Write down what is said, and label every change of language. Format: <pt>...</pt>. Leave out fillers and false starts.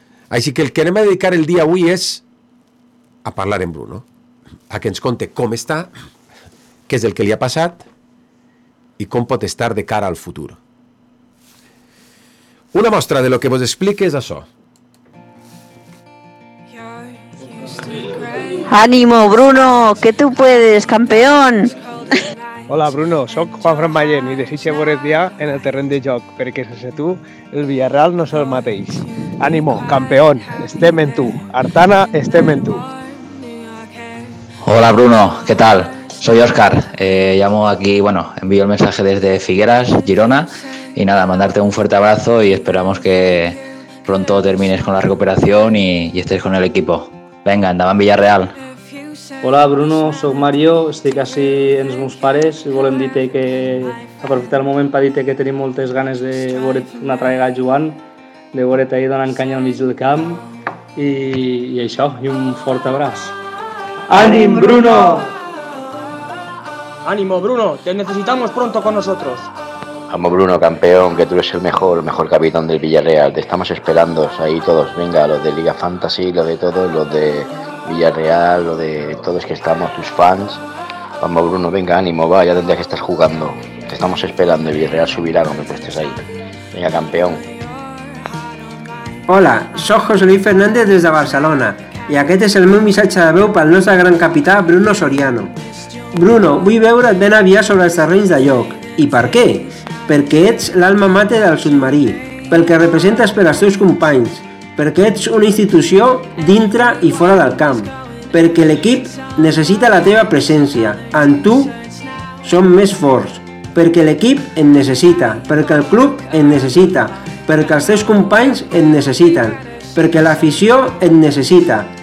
<ca>Així que el que anem a dedicar el dia avui és a parlar amb Bruno, a que ens conte com està, què és el que li ha passat i com pot estar de cara al futur. Una mostra de lo que vos explique és això.</ca> <es>Ánimo, Bruno, que tu puedes, campeón.</es> <ca>Hola, Bruno, sóc Juanfran Ballén i desitjo veure et ja en el terreny de joc, perquè sense tu el Vila-real no és el mateix.</ca> <es>Ánimo, campeón,</es> <ca>estem en tu. Artana, estem en tu. Hola, Bruno, què tal?</ca> <es>Soy Óscar, llamo aquí, bueno, envío el mensaje desde Figueras, Girona, y nada, mandarte un fuerte abrazo y esperamos que pronto termines con la recuperación y estés con el equipo.</es> <ca>Venga, endavant Vila-real. Hola, Bruno, soc Mario, estic així en els meus pares i volem dir-te que aprofitar el moment per dir-te que tenim moltes ganes de veure't una altra vegada jugant, de veure't ahir donant canya al mig del camp i això, i un fort abraç. Ànim, Bruno!</ca> <es>Ánimo, Bruno, te necesitamos pronto con nosotros. Vamos, Bruno, campeón, que tú eres el mejor capitán del Villarreal. Te estamos esperando ahí todos. Venga, los de Liga Fantasy, los de todos, los de Villarreal, los de todos que estamos, tus fans. Vamos, Bruno, venga, ánimo, va, ya tendrías que estar jugando. Te estamos esperando, el Villarreal subirá cuando tú estés ahí. Venga, campeón. Hola, soy José Luis Fernández desde Barcelona.</es> <ca>I aquest és el meu missatge de veu pel nostre gran capità, Bruno Soriano. Bruno, vull veure't ben aviat sobre els terrenys de lloc. I per què? Perquè ets l'alma mater del submarí, pel que representes per als teus companys, perquè ets una institució dintre i fora del camp, perquè l'equip necessita la teva presència, en tu som més forts, perquè l'equip et necessita, perquè el club et necessita, perquè els teus companys et necessiten, perquè l'afició et necessita.</ca>